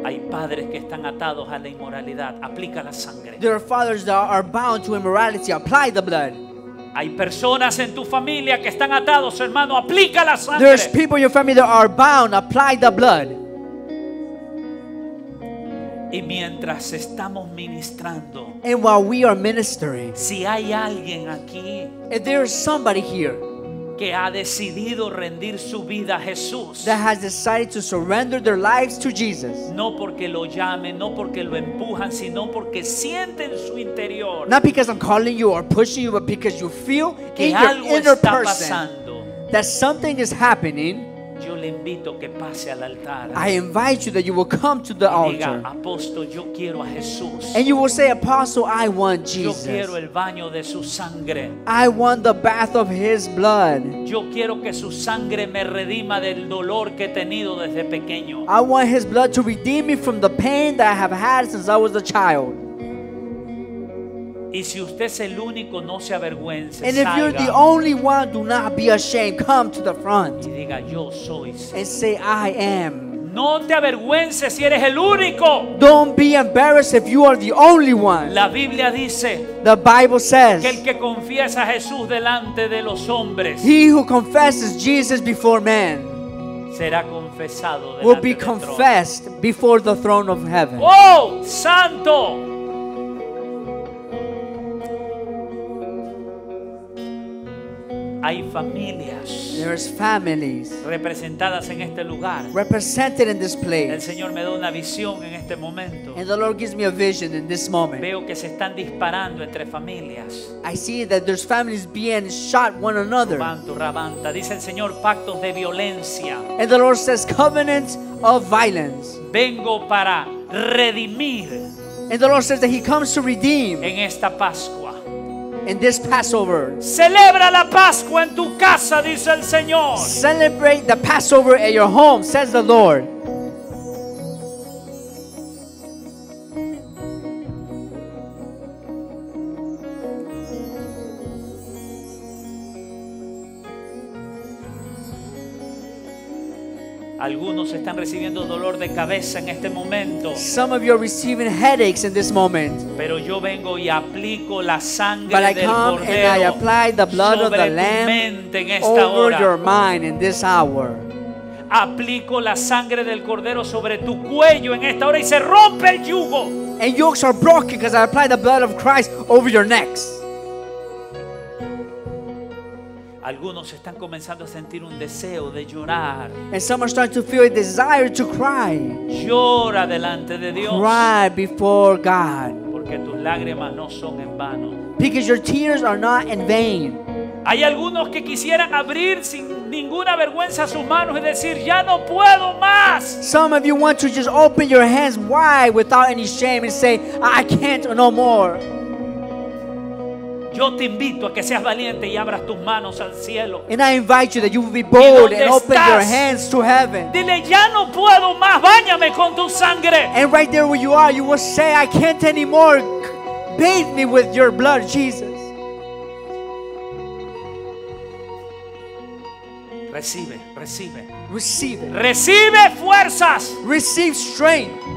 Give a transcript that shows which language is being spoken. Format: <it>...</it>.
<es>Padres que están atados a la inmoralidad, aplica la sangre.</es> <en>There are fathers that are bound to immorality, apply the blood.</en> <es>Hay personas en tu familia que están atados, hermano, aplica la sangre.</es> <en>There's people in your family that are bound, apply the blood.</en> <es>Y mientras estamos ministrando,</es> <en>and while we are ministering,</en> <es>si hay alguien aquí,</es> <en>if there's somebody here</en> <es>que ha decidido rendir su vida a Jesús,</es> <en>that has decided to surrender their lives to Jesus,</en> <es>no porque lo llamen, no porque lo empujan, sino porque sienten su interior,</es> <en>not because I'm calling you or pushing you, but because you feel</en> <es>que</es> <en>in your inner person</en> <es>pasando,</es> <en>that something is happening.</en> <es>Yo le invito que pase al altar.</es> <en>I invite you that you will come to the</en> <es>diga,</es> <en>altar.</en> <es>Apóstol, yo quiero a Jesús.</es> <en>And you will say, Apostle, I want Jesus.</en> <es>Yo quiero el baño de su sangre.</es> <en>I want the bath of his blood.</en> <es>Yo quiero que su sangre me redima del dolor que he tenido desde pequeño.</es> <en>I want his blood to redeem me from the pain that I have had since I was a child.</en> <es>Y si usted es el único, no se avergüence.</es> <en>And if</en> <es>salga.</es> <en>You're the only one, do not be ashamed. Come to the front.</en> <es>Y diga, yo soy.</es> <en>And say, I am.</en> <es>No te avergüences si eres el único.</es> <en>Don't be embarrassed if you are the only one.</en> <es>La Biblia dice.</es> <en>The Bible says.</en> <es>Que el que confiesa a Jesús delante de los hombres.</es> <en>He who confesses Jesus before men.</en> <es>Será confesado. confesado delante</es> <en>will be confessed</en> <es>del trono.</es> <en>Before the throne of heaven.</en> <es>Oh, santo. Hay familias.</es> <en>There's families</en> <es>representadas en este lugar.</es> <en>Represented in this place.</en> <es>El Señor me da una visión en este momento.</es> <en>And the Lord gives me a vision in this moment.</en> <es>Veo que se están disparando entre familias.</es> <en>I see that there's families being shot one another.</en> <es>Rabanto, rabanta, dice el Señor, pactos de violencia.</es> <en>And the Lord says covenants of violence.</en> <es>Vengo para redimir.</es> <en>And the Lord says that he comes to redeem.</en> <es>En esta Pascua.</es> <en>In this Passover,</en> <es>celebra la Pascua en tu casa, dice el Señor.</es> <en>Celebrate the Passover at your home, says the Lord.</en> <es>Algunos están recibiendo dolor de cabeza en este momento.</es> <en>Some of you are receiving headaches in this moment.</en> <es>Pero yo vengo y aplico la sangre del cordero.</es> <en>But I come and I apply the blood of the lamb over your mind in this hour.</en> <es>Aplico la sangre del cordero sobre tu cuello en esta hora y se rompe el yugo.</es> <en>And yokes are broken because I apply the blood of Christ over your necks.</en> <es>Algunos están comenzando a sentir un deseo de llorar.</es> <en>And some are starting to feel a desire to cry.</en> <es>Llora delante de Dios.</es> <en>Cry before God.</en> <es>Porque tus lágrimas no son en vano.</es> <en>Because your tears are not in vain.</en> <es>Hay algunos que quisieran abrir sin ninguna vergüenza sus manos y decir, ya no puedo más.</es> <en>Some of you want to just open your hands wide without any shame and say, I can't no more.</en> <es>Yo te invito a que seas valiente y abras tus manos al cielo.</es> <en>And I invite you that you will be bold and open</en> <es>estás,</es> <en>your hands to heaven.</en> <es>Dile, ya no puedo más, báñame con tu sangre.</es> <en>And right there where you are, you will say, I can't anymore. Bathe me with your blood, Jesus.</en> <es>Recibe, recibe. Recibe. Recibe fuerzas.</es> <en>Receive strength.</en>